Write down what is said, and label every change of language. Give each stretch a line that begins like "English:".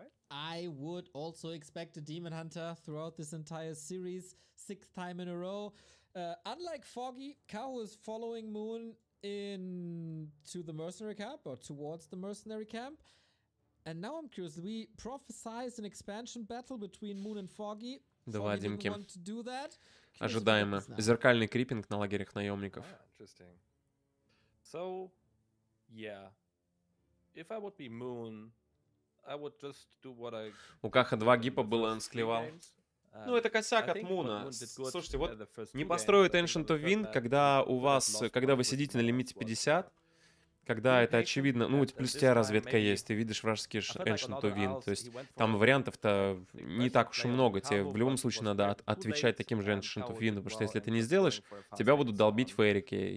English: I would also expect a Demon Hunter throughout this entire series, sixth time in a row. Unlike Foggy, Kao was following Moon into the Mercenary Camp, or towards the Mercenary Camp. And now I'm curious, we prophesized an expansion battle between Moon and Foggy.
Russian: Два Димки. Ожидаемо. Зеркальный крипинг на лагерях наемников.
English: Interesting. So, yeah. If I would be Moon, I would just do what I...
Russian: У Каха два гиппа было, он склевал. Ну, это косяк от Муна. Слушайте, вот не построит Ancient of Wind, когда у вас, когда вы сидите на лимите 50, когда это очевидно, ну, плюс у тебя разведка есть, ты видишь вражеские Ancient of Wind, то есть там вариантов-то не так уж и много, тебе в любом случае надо отвечать таким же Ancient of Wind, потому что если ты не сделаешь, тебя будут долбить феррики.